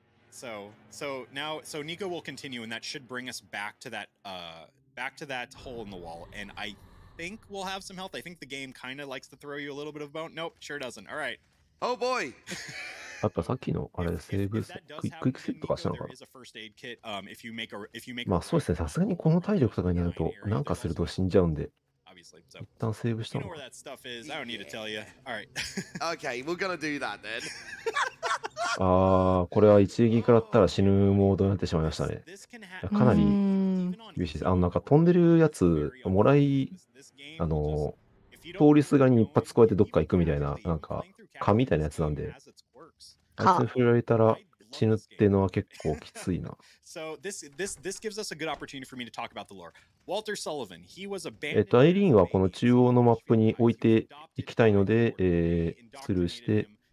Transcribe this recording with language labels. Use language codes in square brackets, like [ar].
[en] So now, so Nico will continue, and that should bring us back to that hole in the wall. And I think we'll have some health. I think the game kind of likes to throw you a little bit of bone. Nope, sure doesn't. All right. Oh boy. [ja] やっぱさっきのあれセーブクイックセットとかしたのかな。まあそうですね、さすがにこの体力とかになるとなんかすると死んじゃうんで一旦セーブしたのか。 [en] Yeah. All right. Okay, we're gonna do that then. [ja] ああ、これは一撃食らったら死ぬモードになってしまいましたね。かなり厳しいです。あのなんか飛んでるやつもらい、通りすがりに一発超えてどっか行くみたいな、なんか蚊みたいなやつなんで、あいつ振られたら死ぬっていうのは結構きついな。 [en] this gives us a good opportunity for me to talk about the lore. Walter Sullivan, he was a bandit. [ja] アイリーンはこの中央のマップに置いていきたいので、スルーして。